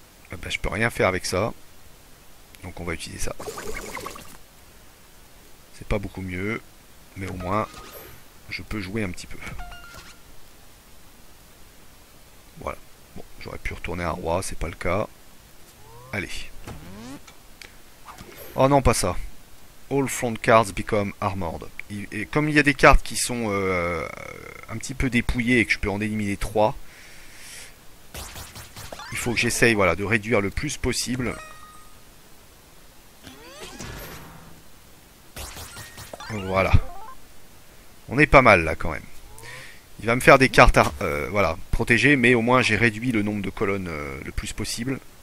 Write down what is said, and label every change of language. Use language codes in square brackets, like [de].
[fr] Ben, je peux rien faire avec ça. Donc on va utiliser ça. C'est pas beaucoup mieux. Mais au moins, je peux jouer un petit peu. Voilà. Bon, j'aurais pu retourner un roi, c'est pas le cas. Allez. Oh non, pas ça. [en] All front cards become armored. [fr] Et comme il y a des cartes qui sont un petit peu dépouillées et que je peux en éliminer 3, il faut que j'essaye, voilà, de réduire le plus possible. Voilà. On est pas mal là quand même. Il va me faire des cartes voilà, protégées, mais au moins j'ai réduit le nombre de colonnes le plus possible.